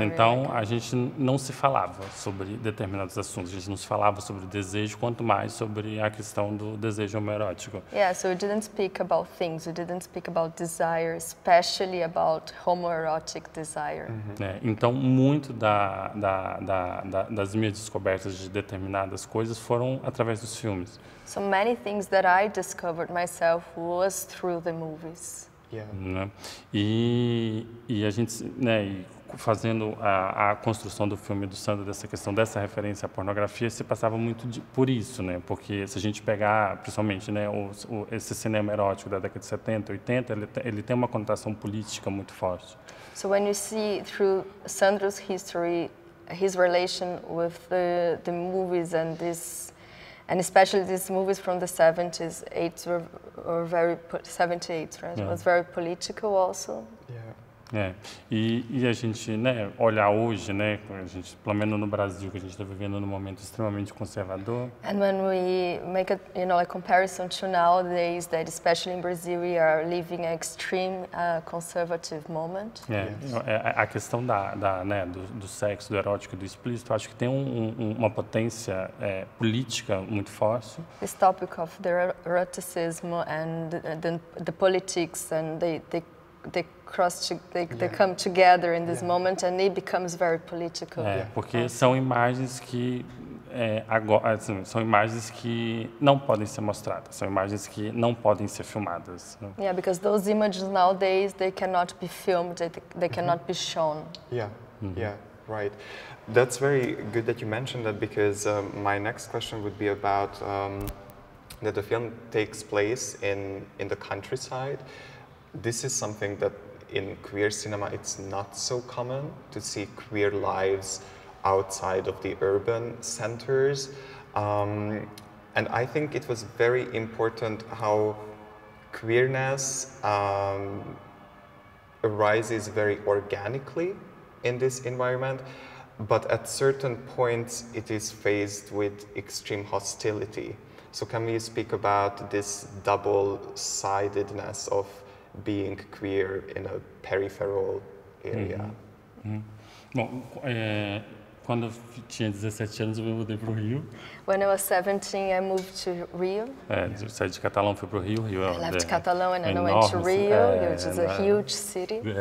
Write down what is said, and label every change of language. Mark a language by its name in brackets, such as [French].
[Portuguese] Então a gente não se falava sobre determinados assuntos. A gente não se falava sobre o desejo, quanto mais sobre a questão do desejo homoerótico. [English] Yeah, so we didn't speak about things. We didn't speak about desire, especially about homoerotic desire. Uh-huh. [Portuguese] É, então muito das minhas descobertas de determinadas coisas foram através dos filmes. [English] So many things that I discovered myself was through the movies. Yeah. [Portuguese] E a gente, né, fazendo a construção do filme do Sandro, dessa questão dessa referência à pornografia, se passava muito por isso, né? Porque se a gente pegar, principalmente, né, esse cinema erótico da década de 70, 80, ele tem uma conotação política muito forte. [English] So when you see through Sandro's history, his relation with the movies and this, and especially these movies from the 70s, 80s were very 78, right? Yeah. Was very political also. Yeah. Yeah. [Portuguese] E a gente, né, olhar hoje, né, a gente, pelo menos no Brasil, que a gente está vivendo num momento extremamente conservador. [English] And when we make a, you know, a comparison to nowadays, that especially in Brazil we are living an extreme conservative moment. Yeah. Yes. [Portuguese] A questão né, do sexo, do erótico, do explícito, acho que tem uma potência política muito forte. [English] This topic of the eroticism and the politics and they come together in this moment and it becomes very political. [Portuguese] É, porque são imagens que agora, assim, são imagens que não podem ser mostradas, são imagens que não podem ser filmadas. [English] Yeah, because those images nowadays they cannot be filmed, they cannot be shown. Yeah. Mm-hmm. Yeah, right. That's very good that you mentioned that, because my next question would be about that the film takes place in the countryside. This is something that in queer cinema it's not so common to see queer lives outside of the urban centers, and I think it was very important how queerness arises very organically in this environment, but at certain points it is faced with extreme hostility. So can we speak about this double-sidedness of being queer in a peripheral area? Mm-hmm. Mm-hmm. [Portuguese] Bom, quando eu tinha 17 anos, eu mudei para o Rio. [English] When I was 17, I moved to Rio. [Portuguese] Saí de Catalão, fui para o Rio. [English] I left Catalão and then I went to Rio, which is a huge city.